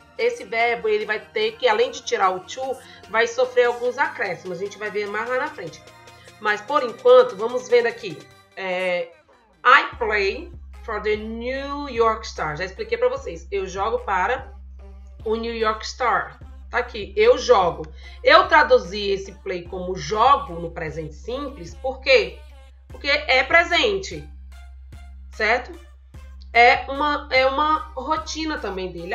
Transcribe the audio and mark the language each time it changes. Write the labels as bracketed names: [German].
[Portuguese] Esse verbo, ele vai ter que, além de tirar o to, vai sofrer alguns acréscimos. A gente vai ver mais lá na frente. Mas, por enquanto, vamos vendo aqui. [English] I play for the New York Stars. [Portuguese] Já expliquei para vocês. Eu jogo para o New York Star. Tá aqui. Eu jogo. Eu traduzi esse play como jogo no presente simples. Por quê? Porque é presente. Certo? É uma rotina também dele.